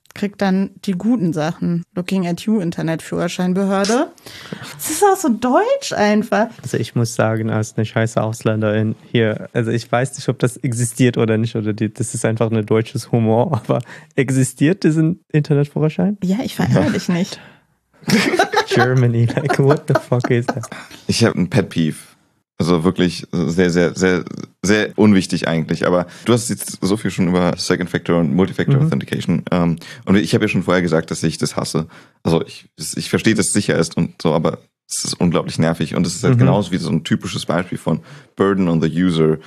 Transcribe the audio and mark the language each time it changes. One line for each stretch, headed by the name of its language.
German: kriegt dann die guten Sachen.
English: Looking at you,
German: Internet-Führerscheinbehörde. Das ist auch so deutsch einfach. Also ich muss sagen, als eine scheiße Ausländerin hier, also ich weiß nicht, ob das existiert oder nicht, oder die, das ist einfach ein deutsches Humor, aber existiert diesen Internet-Führerschein? Ja, ich verändere dich nicht.
English: Germany, like, what the fuck is that?
German: Ich habe ein Pet-Peeve. Also wirklich sehr, sehr, sehr, sehr unwichtig eigentlich. Aber du hast jetzt so viel schon über Second Factor und Multifactor Authentication. Und ich habe ja schon vorher gesagt, dass ich das hasse. Also ich verstehe, dass es sicher ist und so, aber es ist unglaublich nervig. Und es ist halt genauso wie so ein typisches Beispiel von
English: Burden on the User.